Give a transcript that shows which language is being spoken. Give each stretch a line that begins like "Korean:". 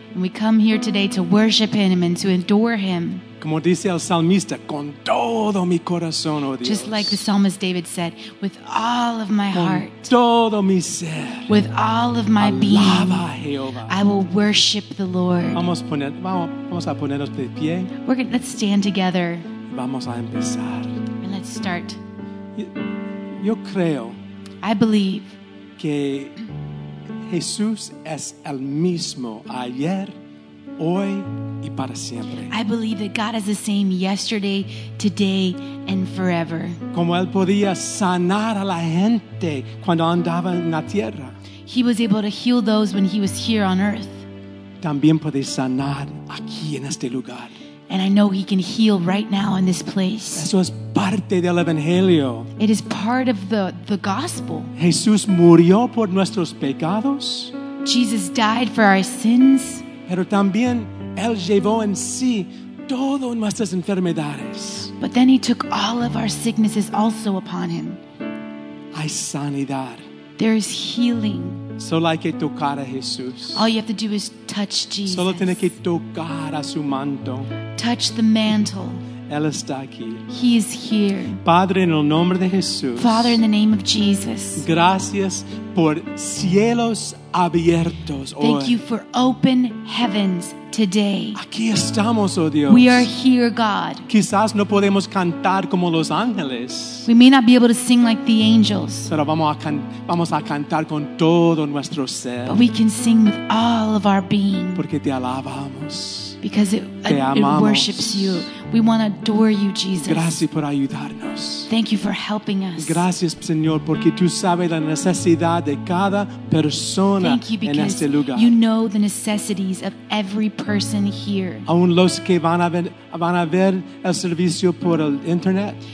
English: And we come here today to worship Him and to adore Him.
Spanish: Como dice el salmista, con todo mi corazón, oh Dios.
English: Just like the psalmist David said, with all of my heart.
Spanish: Con todo mi ser.
English: With all of my
Spanish: alaba
English: being.
Spanish: Jehová.
English: I will worship the Lord.
Spanish: Vamos a ponernos de pie.
English: Let's stand together.
Spanish: Vamos a empezar.
English: And let's start.
Spanish: Yo creo.
English: I believe.
Spanish: Que Jesús es el mismo ayer, hoy y para siempre.
English: I believe that God is the same yesterday, today, and forever.
Spanish: Como él podía sanar a la gente cuando andaba en la tierra.
English: He was able to heal those when he was here on earth.
Spanish: También puede sanar aquí en este lugar.
English: And I know he can heal right now in this place.
Spanish: Eso es parte del evangelio.
English: It is part of the gospel.
Spanish: Jesús murió por nuestros pecados.
English: Jesus died for our sins.
Spanish: Pero también él llevó en sí todas nuestras enfermedades.
English: But then he took all of our sicknesses also upon him.
Spanish: Hay sanidad.
English: There is healing.
Spanish: Solo hay que tocar a Jesús.
English: All you have to do is touch Jesus.
Spanish: Solo tiene que tocar a su manto.
English: Touch the mantle.
Spanish: Él está aquí.
English: He is here.
Spanish: Padre, en el nombre de Jesús.
English: Father, in the name of Jesus.
Spanish: Gracias por cielos abiertos hoy.
English: Thank you for open heavens today.
Spanish: Aquí estamos, oh Dios.
English: We are here, God.
Spanish: Quizás no podemos cantar como los ángeles.
English: We may not be able to sing like the angels.
Spanish: Pero vamos a cantar con todo nuestro ser.
English: But we can sing with all of our being.
Spanish: Porque te alabamos.
English: Because it worships you. We want to adore you, Jesus.
Spanish: Gracias por ayudarnos.
English: Thank you for helping us.
Spanish: Gracias, Señor, porque tú sabes la necesidad de cada persona en este lugar.
English: Thank you, because you know the necessities of every person here.
Spanish: Aún los que van a ver el servicio por el internet.